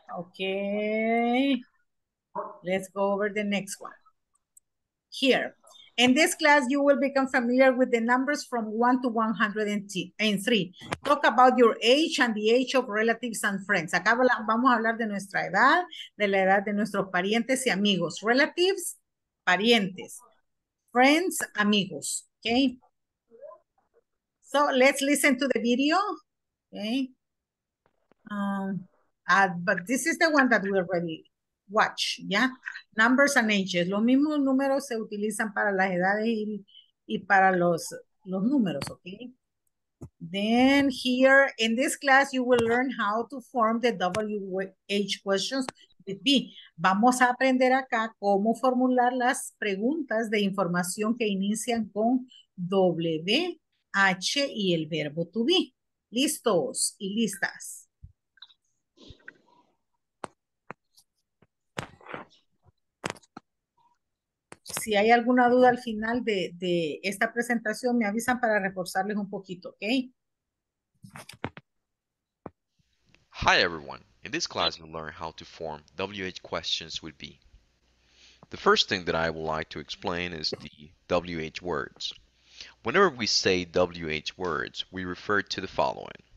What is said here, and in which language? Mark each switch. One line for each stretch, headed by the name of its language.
English: Okay. Let's go over the next one. Here. In this class, you will become familiar with the numbers from 1 to 103. Talk about your age and the age of relatives and friends.
Spanish: Acá vamos a hablar de nuestra edad, de la edad de nuestros parientes y amigos.
English: Relatives, parientes. Friends, amigos. Okay. So let's listen to the video. Okay. But this is the one that we already watch, yeah? Numbers and ages.
Spanish: Los mismos números se utilizan para las edades y para los números, okay?
English: Then here, in this class, you will learn how to form the WH questions with B.
Spanish: Vamos a aprender acá cómo formular las preguntas de información que inician con WH y el verbo to be. Listos y listas. Si hay alguna duda al final de esta presentación, me avisan para reforzarles un poquito, okay?
English: Hi everyone. In this class, we'll learn how to form WH questions with B. The first thing that I would like to explain is the WH words. Whenever we say WH words, we refer to the following.